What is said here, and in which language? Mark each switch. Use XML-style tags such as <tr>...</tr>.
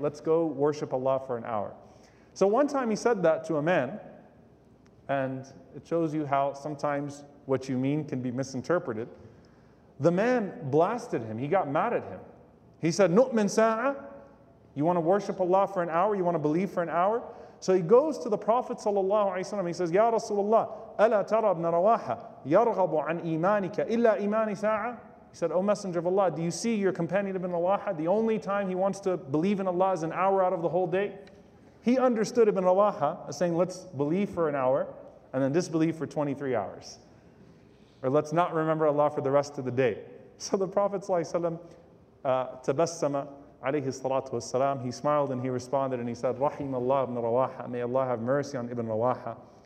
<en>Let's go worship Allah for an hour. So one time he said that to a man, and it shows you how sometimes what you mean can be misinterpreted. The man blasted him. He got mad at him. He said,</en> <ar>نؤمن ساعة?</ar> <en>You want to worship Allah for an hour? You want to believe for an hour? So he goes to the Prophet ﷺ. He says,</en> <ar>يا رسول الله, ألا ترى ابن رواحة يرغب عن إيمانك إلا إيمان ساعة?</ar> <en>He said, O Messenger of Allah, do you see your companion ibn Rawah? The only time he wants to believe in Allah is an hour out of the whole day. He understood Ibn Rawah as saying, let's believe for an hour and then disbelieve for 23 hours. Or let's not remember Allah for the rest of the day. So the Prophet ﷺ,</en> <ar>tabassama alayhi salatu wassalam,</ar> <en>he smiled and he responded and he said,</en> <ar>Rahim Allah ibn Rawah,</ar> <en>may Allah have mercy on Ibn Rawah.</en>